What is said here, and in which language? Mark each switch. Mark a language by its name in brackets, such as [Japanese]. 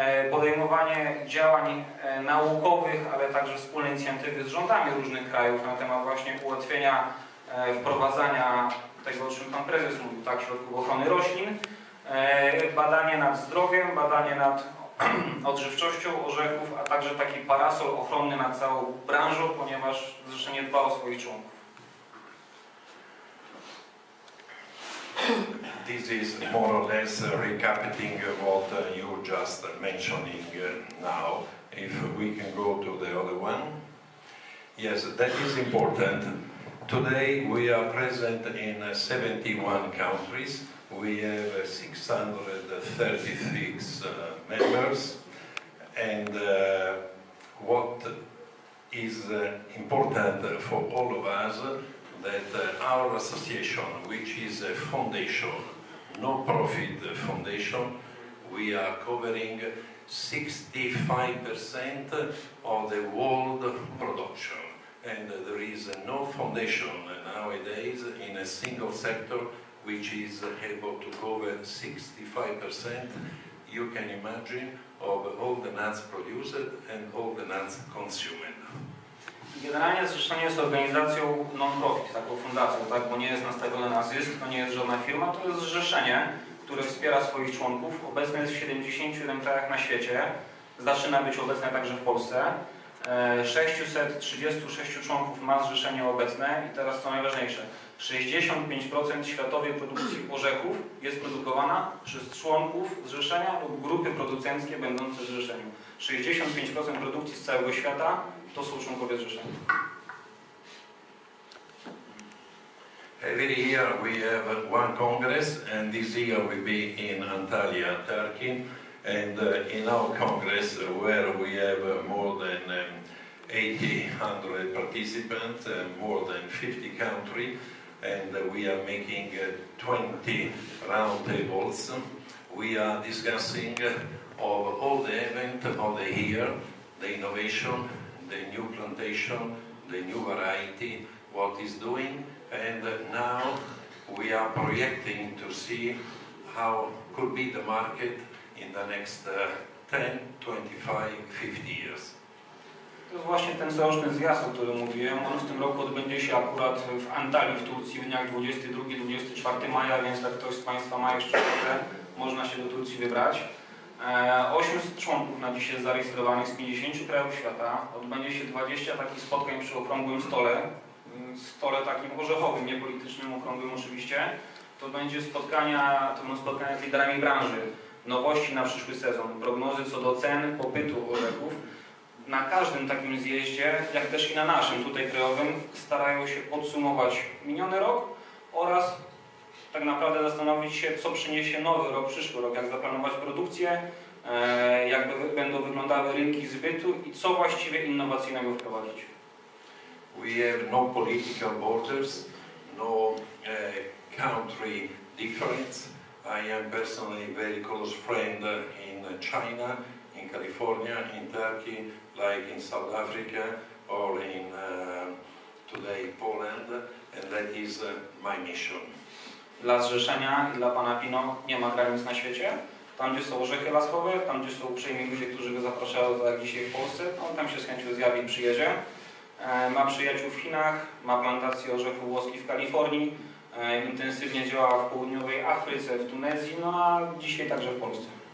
[Polish] Podejmowanie działań naukowych, ale także wspólne inicjatywy z rządami różnych krajów na temat właśnie ułatwienia wprowadzania tego, o czym Pan Prezes mówił, tak, środków ochrony roślin. Badanie nad zdrowiem, badanie nad odżywczością orzechów, a także taki parasol ochronny nad całą branżą, ponieważ zrzeszenie dba o swoich członków. [English] This is more or less recapping what you just mentioning now. If we can go to the other one. Yes, that is important. Today we are present in 71 countries. We have 636 members, and what is important for all of us that our association, which is a foundation, non-profit foundation, we are covering 65% of the world production. And there is no foundation nowadays in a single sector which is able to cover 65%, you can imagine, of all the nuts produced and all the nuts consumed. [Polish] Generalnie zrzeszenie jest organizacją non-profit, taką fundacją, tak, bo nie jest nastawione na zysk, to nie jest żadna firma, to jest zrzeszenie, które wspiera swoich członków. Obecne jest w 77 krajach na świecie, zaczyna być obecne także w Polsce. 636 członków ma zrzeszenie obecne i teraz co najważniejsze. 65% światowej produkcji orzechów jest produkowana przez członków zrzeszenia lub grupy producenckie będące w zrzeszeniu. 65% produkcji z całego świata to są członkowie zrzeszenia. [English] Every year we have one congress and this year will be in Antalya, Turkey. And in our congress where we have more than 800 participants, more than 50 countries, and we are making 20 round tables. We are discussing of all the event of the year, the innovation, the new plantation, the new variety, what is doing, and now we are projecting to see how could be the market in the next 10, 25, 50 years. [Polish] To jest właśnie ten coroczny zjazd, o którym mówiłem. On w tym roku odbędzie się akurat w Antalii, w Turcji, w dniach 22-24 maja, więc jak ktoś z Państwa ma jeszcze ochotę, można się do Turcji wybrać. 800 członków na dzisiaj zarejestrowanych z 50 krajów świata. Odbędzie się 20 takich spotkań przy okrągłym stole. Stole takim orzechowym, nie politycznym, okrągłym oczywiście. To będzie spotkania, to będą spotkania z liderami branży. Nowości na przyszły sezon, prognozy co do cen, popytu orzechów. Na każdym takim zjeździe, jak też i na naszym tutaj krajowym, starają się podsumować miniony rok oraz tak naprawdę zastanowić się, co przyniesie nowy rok, przyszły rok, jak zaplanować produkcję, jak będą wyglądały rynki zbytu i co właściwie innowacyjnego wprowadzić. [English] We have no political borders, no country difference. I am personally very close friend in China, in California, in Turkey, like in South Africa or in today Poland, and that is my mission. [Polish] Dla zrzeszenia i dla pana Pino nie ma granic na świecie. Tam, gdzie są orzechy laskowe, tam, gdzie są uprzejmi ludzie, którzy go zapraszają tak dzisiaj w Polsce, on tam się z chęcią zjawi i przyjedzie. Ma przyjaciół w Chinach, ma plantację orzechów włoskich w Kalifornii, intensywnie działa w południowej Afryce, w Tunezji, no a dzisiaj także w Polsce.